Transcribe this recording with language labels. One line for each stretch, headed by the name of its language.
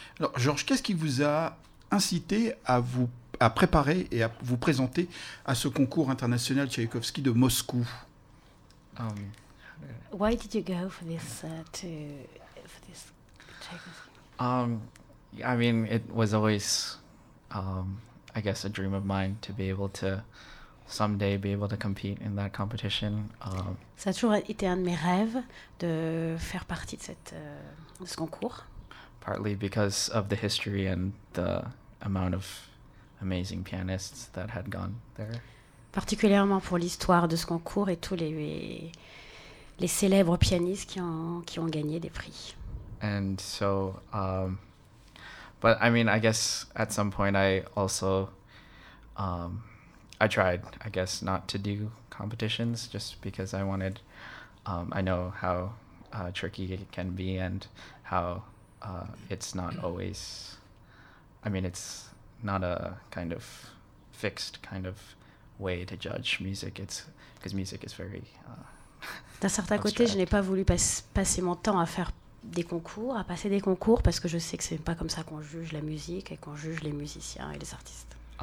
French: Alors, Georges, qu'est-ce qui vous a incité à préparer et à vous présenter à ce concours international Tchaïkovski de Moscou?
English: Why did you go for this to Tchaikovsky? I mean, it was always, I guess, a dream of mine to be able to someday be able to compete in that competition.
French: Ça a toujours été un de mes rêves de faire partie de ce concours.
English: Partly because of the history and the amount of amazing pianists that had gone there.
French: Particulièrement pour l'histoire de ce concours et tous les célèbres pianistes qui ont gagné des prix.
English: And so, but I mean, I guess at some point I also, I tried, I guess, not to do competitions just because I wanted, I know how tricky it can be and how it's not always, I mean, it's not a kind of fixed kind of way to judge music. It's because music is very
French: D'un certain côté, je n'ai pas voulu passer mon temps à faire des concours, à passer des concours, parce que je sais que ce n'est pas comme ça qu'on juge la musique et qu'on juge les musiciens et les artistes.